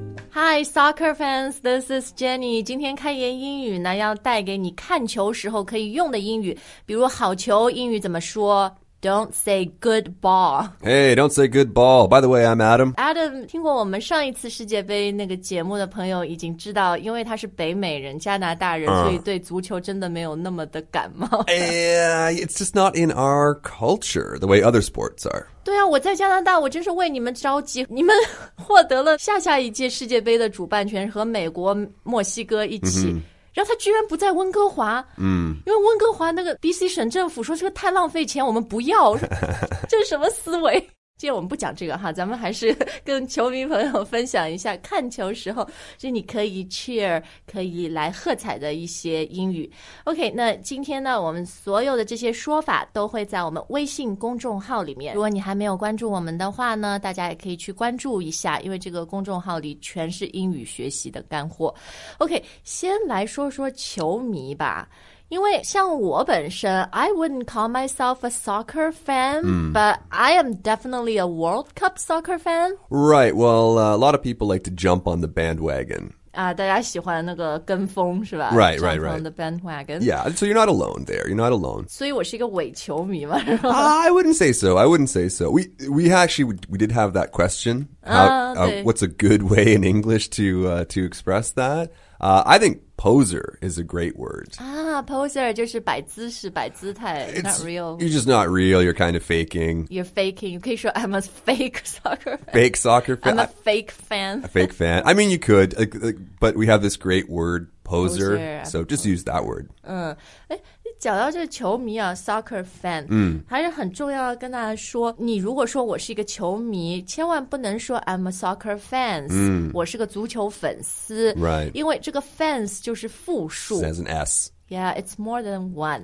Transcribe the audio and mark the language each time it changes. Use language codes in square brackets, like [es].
[en] Hi, soccer fans, this is Jenny. [zh] 今天开言英语呢，要带给你看球时候可以用的英语，比如好球英语怎么说？ [en] Don't say good ball. Hey, don't say good ball. By the way, I'm Adam. [zh] Adam, 听过我们上一次世界杯那个节目的朋友已经知道，因为他是北美人，加拿大人，所以对足球真的没有那么的感冒。 [en] Yeah, it's just not in our culture, the way other sports are. [zh] 对啊，我在加拿大，我真是为你们着急。你们获得了下下一届世界杯的主办权，和美国、墨西哥一起。 Mm-hmm. 然后他居然不在温哥华，嗯，因为温哥华那个 BC 省政府说这个太浪费钱，我们不要，这是什么思维？今天我们不讲这个哈，咱们还是跟球迷朋友分享一下看球时候，就你可以 cheer, 可以来喝彩的一些英语。 OK, 那今天呢，我们所有的这些说法都会在我们微信公众号里面。如果你还没有关注我们的话呢，大家也可以去关注一下，因为这个公众号里全是英语学习的干货。 OK, 先来说说球迷吧。因为像我本身 [en] I wouldn't call myself a soccer fan、 mm. But I am definitely a World Cup soccer fan. Right, well, a lot of people like to jump on the bandwagon. [zh] 大家喜欢那个跟风是吧 [en] Right, right, right. On the bandwagon. Yeah, so you're not alone there. You're not alone. [zh] 所以我是一个伪球迷吗 [en] I wouldn't say so. I wouldn't say so. We did have that question. What's a good way in English to express that? I think poser is a great word. [zh] Poser 就是摆姿势摆姿态 [en] It's not real. You're just not real. You're kind of faking. You're faking. You [zh] 可以说 [en] I'm a fake soccer fan. Fake soccer fan. I'm a fake fan. A fake fan. I mean, you could, but we have this great word poser. So just use that word. [zh] 讲到这个球迷啊 [en] soccer fan、嗯、 [zh] 还是很重要跟大家说你如果说我是一个球迷千万不能说 [en] I'm a soccer fans、嗯、 [zh] 我是个足球粉丝、 [en] right. [zh] 因为这个 fans 就是复数 [en] says an S Yeah, it's more than one